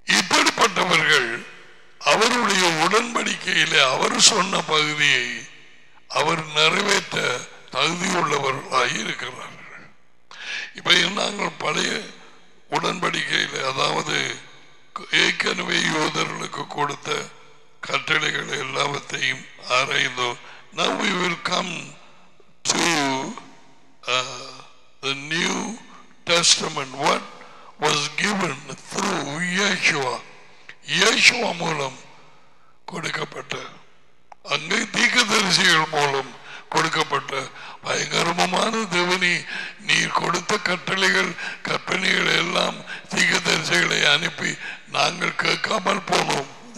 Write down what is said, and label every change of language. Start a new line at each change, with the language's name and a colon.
Tamil: இப்படிப்பட்டவர்கள் அவருடைய உடன்படிக்கையிலே அவர் சொன்ன பகுதியை அவர் நிறைவேற்ற தகுதியுள்ளவர்களாக இருக்கிறார்கள். இப்ப நாங்கள் பழைய உடன்படிக்கையில் அதாவது ஏற்கனவே யூதர்களுக்கு கொடுத்த கட்டளைகள் எல்லாவற்றையும் ஆராய்ந்தோம்.
English: Now we will come to the New Testament. What was given through Yeshua.
Tamil: Yeshua மூலம் கொடுக்கப்பட்ட, அங்கே தீர்க்கதரிசிகள் மூலம் கொடுக்கப்பட்ட பயங்கரமான தேவனி, நீ கொடுத்த கட்டளைகள் கற்பனைகள் எல்லாம் தீர்க்கதரிசிகளை அனுப்பி நாங்கள் கேட்காமல் போனோம்.